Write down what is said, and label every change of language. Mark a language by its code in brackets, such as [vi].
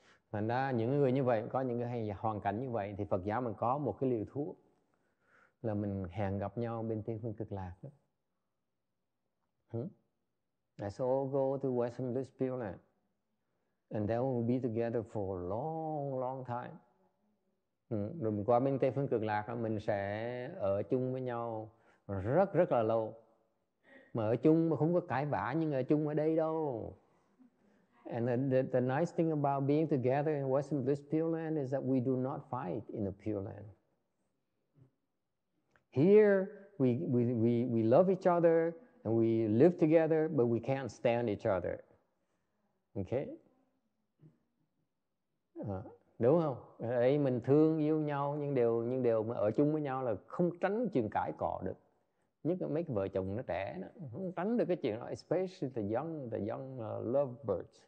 [vi] Thành ra những người như vậy có những cái hoàn cảnh như vậy thì Phật giáo mình có một cái liều thuốc là mình hẹn gặp nhau bên Tây Phương Cực Lạc. Đó. [en] Let's all go to Western Bliss Pure Land, and then we'll be together for a long, long time. [vi] Rồi mình qua bên Tây Phương Cực Lạc mình sẽ ở chung với nhau rất rất là lâu, mà ở chung mà không có cãi vã nhưng ở chung ở đây đâu. [en] And the nice thing about being together in Western Bliss Pure Land is that we do not fight in the Pure Land. Here we love each other and we live together, but we can't stand each other. Okay? [vi] Đúng không? Ở đây mình thương yêu nhau nhưng đều mà ở chung với nhau là không tránh chuyện cãi cọ được. Nhất là mấy cái vợ chồng nó trẻ nó không tránh được cái chuyện đó, [en] especially the young lovebirds.